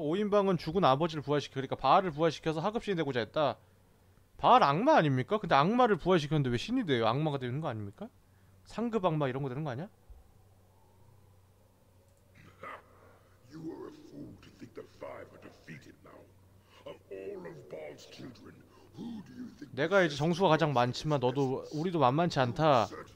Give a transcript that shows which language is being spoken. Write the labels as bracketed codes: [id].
[ko] 오인방은 죽은 아버지를 부활시켜, 그러니까 바알을 부활시켜서 하급신이 되고자 했다. 바알 악마 아닙니까? 근데 악마를 부활시켰는데 왜 신이 돼요? 악마가 되는 거 아닙니까? 상급 악마 이런 거 되는 거 아니야? [en] You are a fool to think the five are defeated now. Of all of Baal's children. [ko] 내가 이제 정수가 가장 많지만 너도 우리도 만만치 않다.